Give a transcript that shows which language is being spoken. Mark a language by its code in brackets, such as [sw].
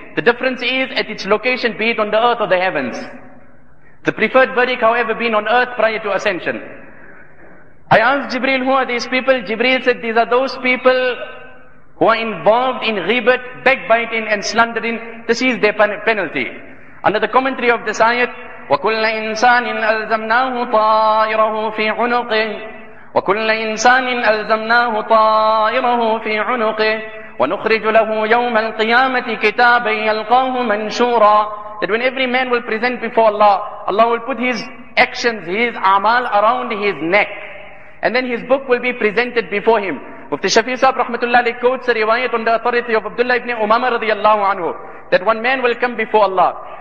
[en] The difference is at its location, be it on the earth or the heavens. The preferred verdict, however, being on earth prior to ascension. I asked Jibreel, who are these people? Jibreel said, these are those people who are involved in ghibat, backbiting and slandering. This is their penalty. Under the commentary of this ayat, [ar] وَكُلَّ إِنسَانٍ أَلْزَمْنَاهُ طَائِرَهُ فِي عُنُقِهِ وَكُلَّ إِنسَانٍ أَلْزَمْنَاهُ طَائِرَهُ فِي عُنُقِهِ وَنُخْرِجُ لَهُ يَوْمَ الْقِيَامَةِ كِتَابًا يَلْقَاهُ مَنْشُورًا. [en] That when every man will present before Allah, Allah will put his actions, his amal around his neck. And then his book will be presented before him. Mufti Shafi Sahib rahmatullahi quotes a riwayat on the authority of Abdullah ibn Umama radiyallahu anhu, that one man will come before Allah.